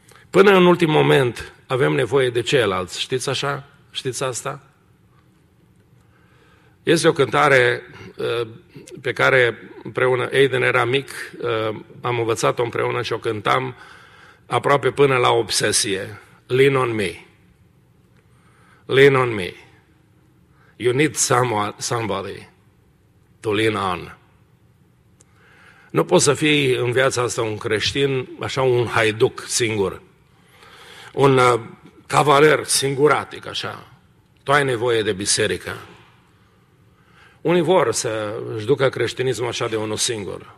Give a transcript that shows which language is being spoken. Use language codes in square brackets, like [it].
[ro] Până în ultim moment avem nevoie de ceilalți, știți așa? Știți asta? Este o cântare pe care împreună, Aiden era mic, am învățat-o împreună și o cântam aproape până la obsesie. [en] Lean on me. Lean on me. You need somebody to lean on. [ro] Nu poți să fii în viața asta un creștin, așa un haiduc singur. Un cavaler singuratic, așa. Tu ai nevoie de biserică? Unii vor să-și ducă creștinismul așa de unul singur.